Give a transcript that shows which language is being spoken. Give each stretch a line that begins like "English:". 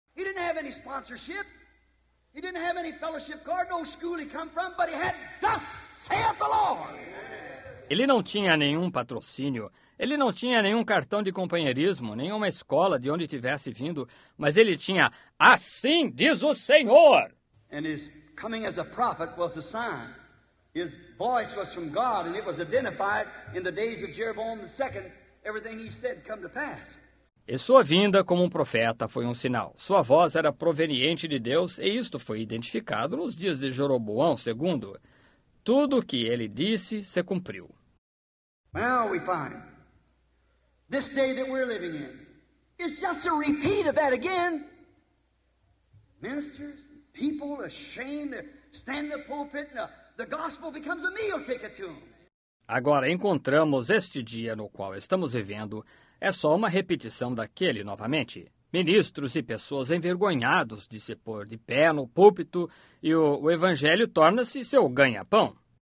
English: He didn't have any sponsorship. He didn't have any fellowship card, no school he come from, but he had, thus saith the Lord.
Portuguese: Ele não tinha nenhum patrocínio. Ele não tinha nenhum cartão de companheirismo, nenhuma escola de onde tivesse vindo, mas ele tinha, assim diz o Senhor.
English: And his coming as a prophet was a sign. His voice was from God, and it was identified in the days of Jeroboam II. Everything he said come to pass.
Portuguese: E sua vinda como um profeta foi um sinal. Sua voz era proveniente de Deus e isto foi identificado nos dias de Jeroboão II. Tudo o que ele disse se cumpriu.
English: Now we find this day that we're living in is just a repeat of that again. Ministers, people ashamed to stand in the pulpit and the gospel becomes a meal ticket to them.
Portuguese: Agora encontramos este dia no qual estamos vivendo é só uma repetição daquele novamente. Ministros e pessoas envergonhados de se pôr de pé no púlpito e o evangelho torna-se seu ganha-pão.